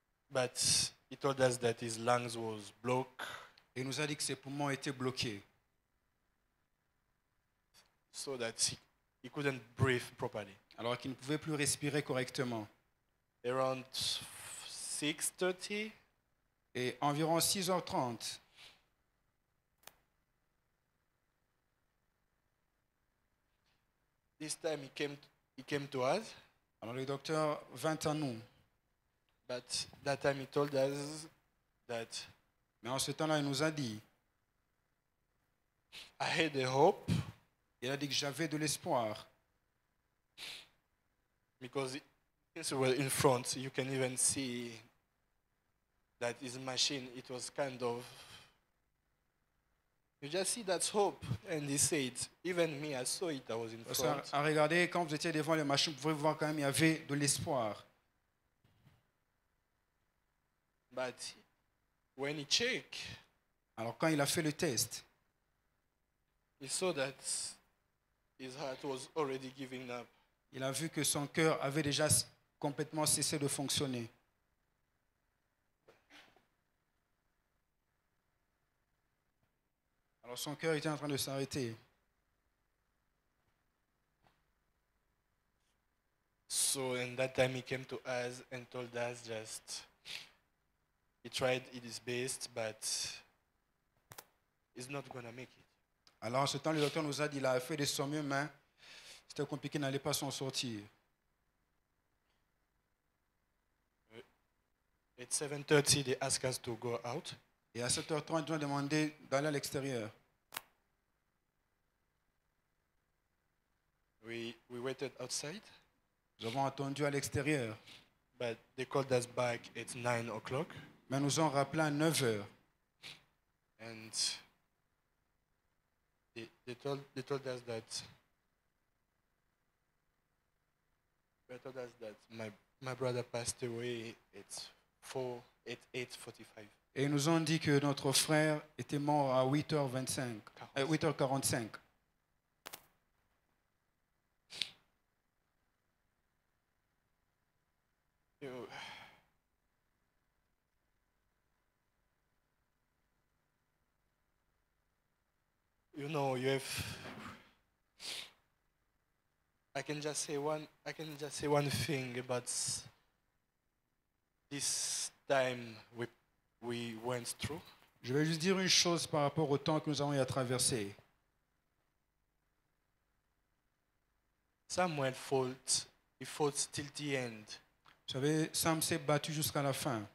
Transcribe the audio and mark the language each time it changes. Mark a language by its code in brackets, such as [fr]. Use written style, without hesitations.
[en] But he told us that his lungs was blocked. [fr] Il nous a dit que ses poumons étaient bloqués. [en] So that he couldn't breathe properly. [fr] Alors qu'il ne pouvait plus respirer correctement. [en] Around 6:30. [fr] Et environ 6h30. [en] This time he came to us. [fr] Alors le docteur vint à nous. [en] But that time he told us that. [fr] Mais en ce temps-là, il nous a dit. [en] I had a hope. [fr] Il a dit que j'avais de l'espoir. [en] Because since we were in front, you can even see that his machine, it was kind of. You just see that's hope, and he said, even me, I saw it. I was in front. [fr] Parce qu'à regarder, quand vous étiez devant les machines, vous pouvez voir quand même il y avait de l'espoir. [en] But when he checked, [fr] alors quand il a fait le test, [en] he saw that his heart was already giving up. [fr] Il a vu que son cœur avait déjà complètement cessé de fonctionner. Alors son cœur était en train de s'arrêter. [en] So in that time he came to us and told us just. He tried his best, but he's not gonna make it. [fr] Alors, en ce temps, le docteur nous a dit, il a fait de son mieux, mais c'était compliqué, n'allait pas s'en sortir. [en] At 7:30, they ask us to go out. [fr] Et à 7h30, ils nous ont demandé d'aller à l'extérieur. [en] We waited outside. [fr] Nous avons attendu à l'extérieur. [en] But they called us back at 9:00. [fr] Mais nous ont rappelé à 9h. [en] And they told us that my brother passed away at 8:45. [fr] Et ils nous ont dit que notre frère était mort à 8h45. [en] You know, you have I can just say one thing about this time we went through. [fr] Je vais juste dire une chose par rapport au temps que nous avons eu à traverser. [en] Samuel fought. He fought till the end. [fr] Vous savez, Sam s'est battu jusqu'à la fin.